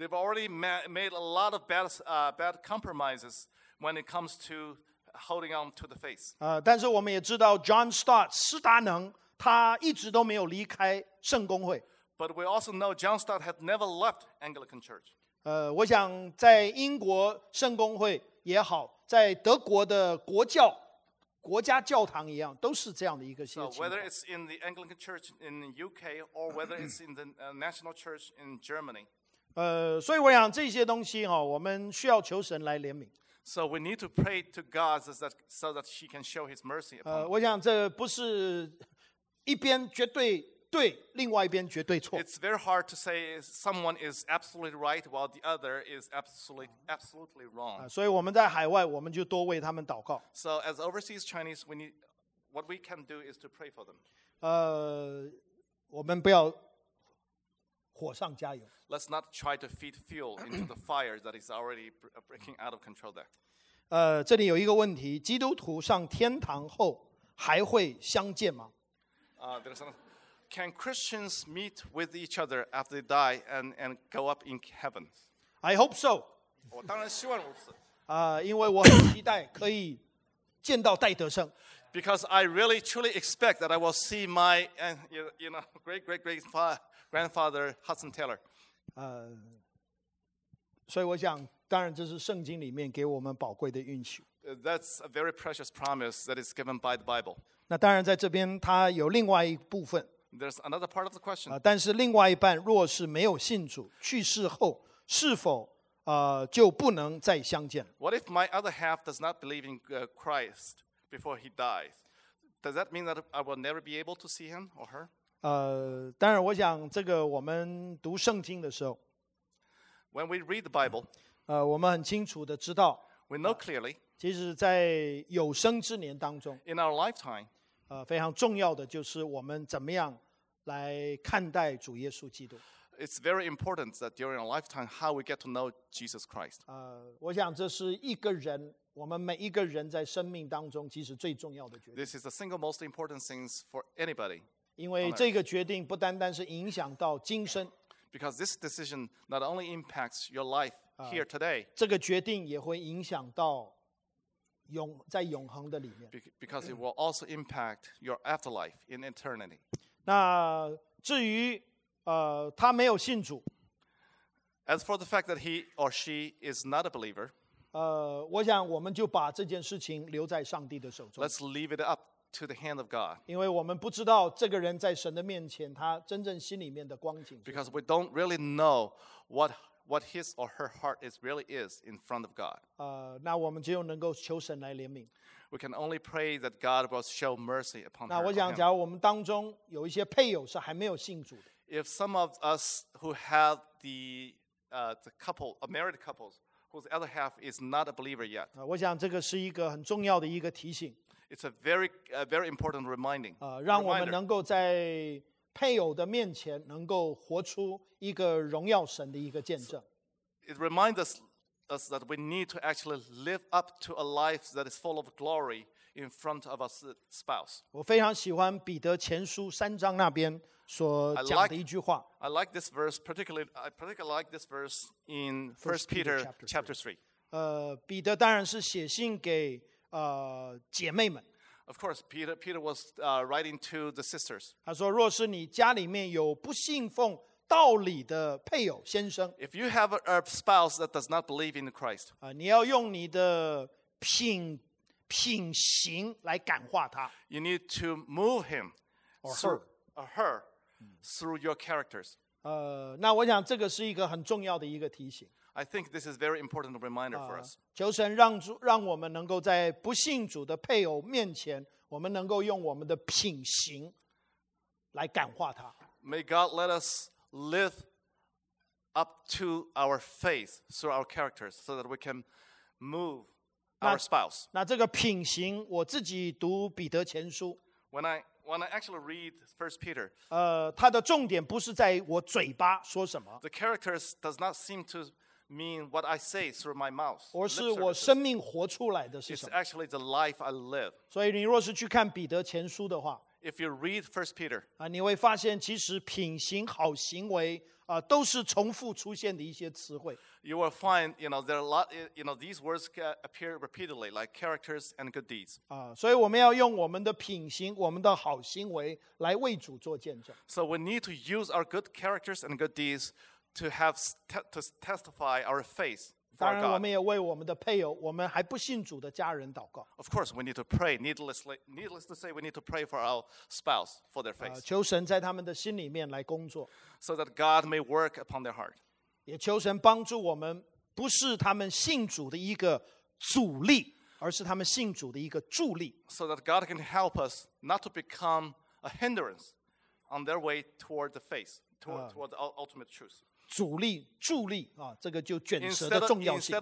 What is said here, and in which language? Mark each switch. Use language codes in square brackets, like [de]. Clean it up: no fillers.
[en] They've already made a lot of bad compromises when it comes to holding on to the faith. [zh] 但是我们也知道 John Stott 施达能他一直都没有离开圣公会。 [en] But we also know John Stott had never left Anglican Church. [zh] 我想在英国圣公会也好，在德国的国教国家教堂一样，都是这样的一个情况。 [en] So whether it's in the Anglican Church in the UK or whether it's in the National Church in Germany, [zh] 所以我想这些东西哈，我们需要求神来怜悯。 [en] So we need to pray to God so that He can show His mercy. [zh] 我想这不是一边绝对对，另外一边绝对错。 [en] It's very hard to say someone is absolutely right while the other is absolutely wrong. [zh] 所以我们在海外，我们就多为他们祷告。 [en] So as overseas Chinese, what we can do is to pray for them. [zh] 我们不要火上加油。 [en] Let's not try to feed fuel into the fire that is already breaking out of control there. [zh] 这里有一个问题：基督徒上天堂后还会相见吗？ [en] There's another. Can Christians meet with each other after they die and go up in heaven? I hope so. [zh] 我当然希望如此。因为我很期待可以见到戴德胜。 [en] Because I really truly expect that I will see my and you know great great great grandfather Hudson Taylor. [zh] 所以我想，当然这是圣经里面给我们宝贵的应许。 [en] That's a very precious promise that is given by the Bible. [zh] 那当然，在这边它有另外一部分。 [en] There's another part of the question. [zh] 但是另外一半，若是没有信主，去世后是否就不能再相见 [en] ？What if my other half does not believe in Christ before he dies? Does that mean that I will never be able to see him or her? [zh] 当然，我想这个我们读圣经的时候 [en] ，When we read the Bible， [zh] 我们很清楚的知道 [en] ，We know clearly。 [zh] 其实，在有生之年当中 [en] ，In our lifetime， [zh] 非常重要的就是我们怎么样来看待主耶稣基督。 [en] It's very important that during our lifetime, how we get to know Jesus Christ. [zh] 我想这是一个人，我们每一个人在生命当中其实最重要的决定。 [en] This is the single most important things for anybody. [zh] 因为这个决定不单单是影响到今生。 [en] Because this decision not only impacts your life here today. [zh] 这个决定也会影响到在永恒的里面。 [en] Because it will also impact your afterlife in eternity. [zh] 那至于他没有信主。 [en] As for the fact that he or she is not a believer, [zh] 我想我们就把这件事情留在上帝的手中。 [en] Let's leave it up to the hand of God. [zh] 因为我们不知道这个人在神的面前他真正心里面的光景。 [en] Because we don't really know what his or her heart is really is in front of God. [zh] 那我们就能够求神来怜悯。 [en] We can only pray that God will show mercy upon him. [zh] 那我想假如我们当中有一些配偶是还没有信主的。 [en] If some of us who have the couple, a married couple, whose other half is not a believer yet, [zh] 我想这个是一个很重要的一个提醒。 [en] It's a very important reminding. [zh] 让我们能够在配偶的面前能够活出一个荣耀神的一个见证。 [en] It reminds us that we need to actually live up to a life that is full of glory in front of our spouse. [zh] 我非常喜欢彼得前书三章那边。所讲的一句话 [en] I like this verse particularly like this verse in 1 Peter chapter 3. [zh] 彼得当然是写信给姐妹们。 [en] Of course, Peter was writing to the sisters. [zh] 他说若是你家里面有不信奉道理的配偶先生 [en] If you have a spouse that does not believe in Christ, [zh] 你要用你的品行来感化他。 [en] You need to move him or her. Or her through your characters. [zh] 那我想这个是一个很重要的一个提醒。 [en] I think this is a very important reminder for us. [zh] 求神让我们能够在不信主的配偶面前，我们能够用我们的品行来感化他。 [en] May God let us live up to our faith through our characters so that we can move our spouse. [zh] 那这个品行，我自己读彼得前书。 [en] When I actually read 1 Peter, [zh] 它的重点不是在我嘴巴说什么。 [en] The characters does not seem to mean what I say through my mouth. [zh] 而是我生命活出来的是什么。 [en] It's actually the life I live. [zh] 所以你若是去看彼得前书的话 [en] ，If you read 1 Peter, [zh] 你会发现其实品行、好行为都是重复出现的一些词汇。 [en] You will find, you know, there are a lot, you know, these words appear repeatedly, like characters and good deeds. [zh] 所以我们要用我们的品行，我们的好行为来为主做见证。 [en] So we need to use our good characters and good deeds to have to testify our faith for God. [zh] 当然，我们也为我们的配偶，我们还不信主的家人祷告。 [en] Of course, we need to pray. Needless to say, we need to pray for our spouse for their faith. [zh] 求神在他们的心里面来工作。 [en] So that God may work upon their heart. [zh] 也求神帮助我们，不是他们信主的一个阻力，而是他们信主的一个助力。 [en] So that God can help us not to become a hindrance on their way toward the faith, toward the ultimate truth. [zh] 阻力、助力啊，这个就卷舌的重要性。